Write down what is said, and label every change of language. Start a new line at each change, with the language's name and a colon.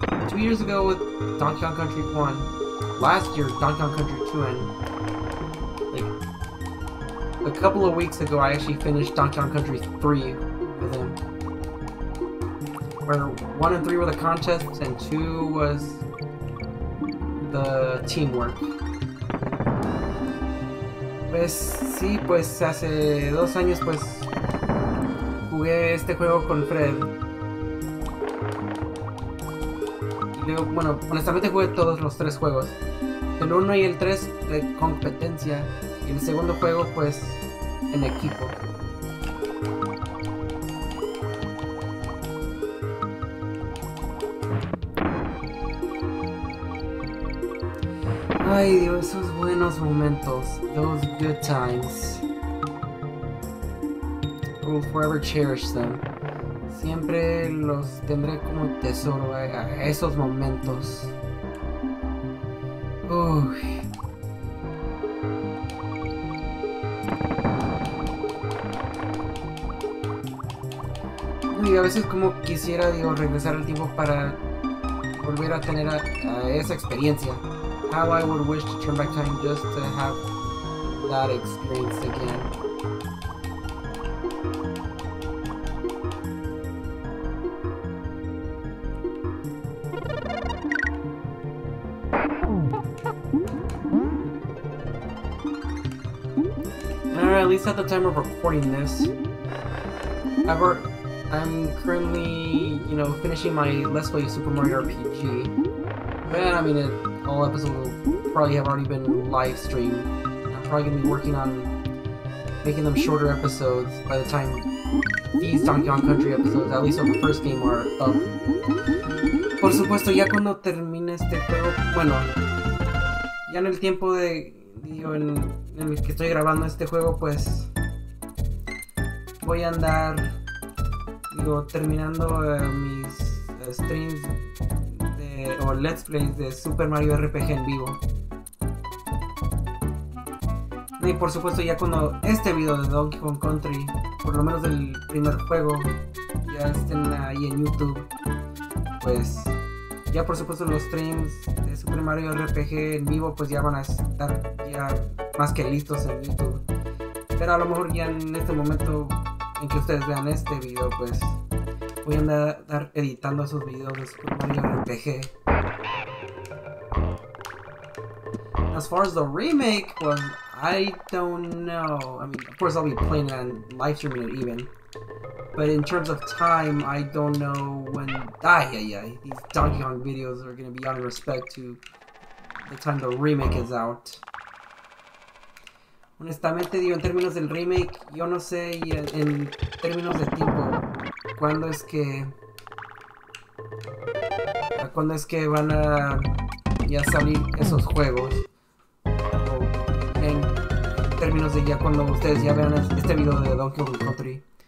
English: 2 years ago with Donkey Kong Country 1. Last year, Donkey Kong Country 2. And, like, a couple of weeks ago, I actually finished Donkey Kong Country 3 with him. Where 1 and 3 were the contests, and 2 was the teamwork.
Spanish: Pues, sí, pues, hace 2 años, pues, jugué este juego con Fred. Yo, bueno, honestamente jugué todos los 3 juegos. El 1 y el 3 de competencia, y el segundo juego, pues, en equipo. Ay Dios, esos buenos momentos,
English: those good times. I will forever cherish them.
Spanish: Siempre los tendré como tesoro a esos momentos. Uy. Y a veces como quisiera, digo, regresar al tiempo para volver a tener a esa experiencia.
English: How I would wish to turn back time just to have that experience again. Alright, at least at the time of recording this. I'm currently, you know, finishing my Let's Play Super Mario RPG. But I mean, all episodes will probably have already been live streamed. I'm probably gonna be working on making them shorter episodes by the time these Donkey Kong Country episodes, at least of the first game, are up.
Spanish: Por supuesto, ya cuando termine este juego, bueno, ya en el tiempo de, digo, en el que estoy grabando este juego, pues voy a andar, digo, terminando mis streams. O Let's Plays de Super Mario RPG en vivo. Y por supuesto, ya cuando este video de Donkey Kong Country, por lo menos del primer juego, ya estén ahí en YouTube, pues ya por supuesto los streams de Super Mario RPG en vivo, pues ya van a estar ya más que listos en YouTube. Pero a lo mejor ya en este momento en que ustedes vean este video, pues voy a andar editando esos videos de Super Mario RPG.
English: As far as the remake, well, I don't know. I mean, of course I'll be playing it and live streaming it even. But in terms of time, I don't know when... Ay, ay, ay. These Donkey Kong videos are gonna be out of respect to the time the remake is out.
Spanish: Honestamente, digo, en términos del remake, yo no sé, y en términos de tiempo, ¿cuándo es que... ¿cuándo es que van a ya salir esos juegos? O en términos de ya cuando ustedes ya vean este video de Donkey Kong Country.